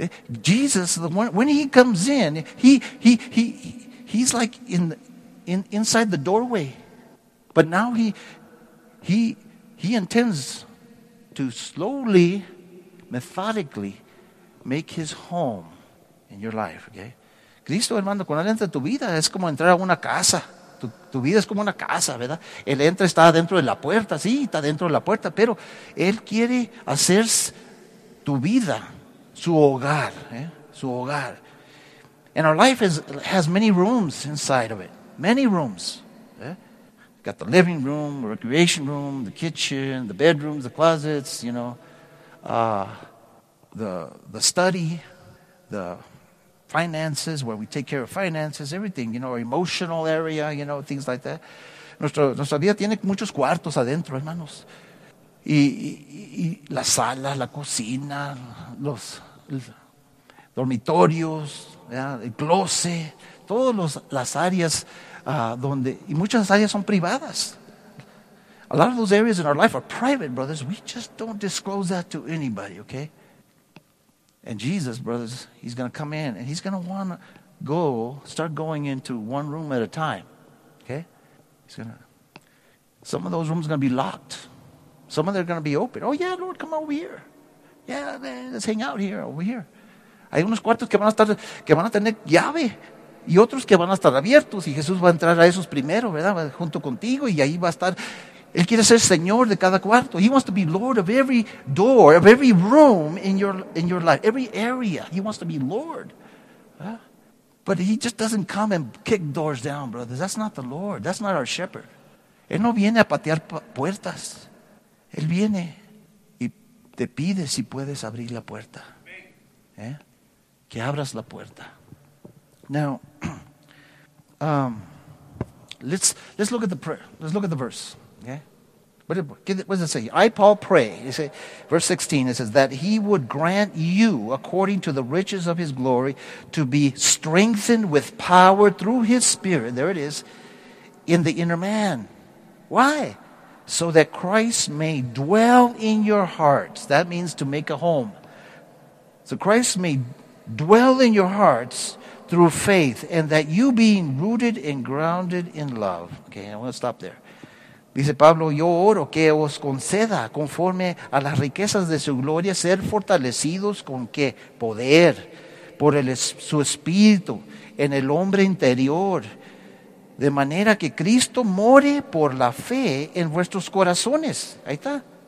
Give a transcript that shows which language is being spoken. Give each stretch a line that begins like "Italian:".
English: Jesus, when He comes in, He's like inside the doorway, but now he intends to slowly, methodically make His home in your life.
Spanish: Okay, Cristo, hermano, cuando Él entra en tu vida es como entrar a una casa. Tu vida es como una casa, ¿verdad? Él entra, está dentro de la puerta, sí, está dentro de la puerta, pero Él quiere hacer tu vida su hogar, ¿eh? Su hogar.
English: And our life has many rooms inside of it. Many rooms. Yeah? Got the living room, the recreation room, the kitchen, the bedrooms, the closets, you know. The study, the finances, where we take care of finances, everything, you know, emotional area, you know, things like that.
Spanish: Nuestra vida tiene muchos cuartos adentro, hermanos. Y la sala, la cocina, los dormitorios, yeah, el closet, todas las áreas... y muchas áreas son privadas.
English: A lot of those areas in our life are private, brothers. We just don't disclose that to anybody, okay? And Jesus, brothers, He's going to come in and He's going to want to start going into one room at a time, okay? Some of those rooms are going to be locked. Some of them are going to be open. Oh, yeah, Lord, come over here. Yeah, man, let's hang out here, over here.
Spanish: Hay unos cuartos que van a tener llave. Y otros que van a estar abiertos y Jesús va a entrar a esos primero, ¿verdad? Junto contigo y ahí va a estar. Él quiere ser Señor de cada cuarto.
English: He wants to be Lord of every door, of every room in your life, every area. He wants to be Lord. ¿Eh? But He just doesn't come and kick doors down, brothers. That's not the Lord. That's not our shepherd.
Spanish: Él no viene a patear puertas. Él viene y te pide si puedes abrir la puerta. ¿Eh? Que abras la puerta.
English: Now, let's look at the prayer. Let's look at the verse. Okay, what does it say? I, Paul, pray. You say, verse 16. It says that He would grant you, according to the riches of His glory, to be strengthened with power through His Spirit. There it is, in the inner man. Why? So that Christ may dwell in your hearts. That means to make a home. So Christ may dwell in your hearts. Through faith, and that you being rooted and grounded in love. Okay, I want to stop there.
Spanish: Dice Pablo, yo oro que os conceda conforme a las riquezas de su gloria ser fortalecidos con qué poder por su espíritu en el hombre interior, de manera que Cristo more por la fe en vuestros corazones. Ahí está.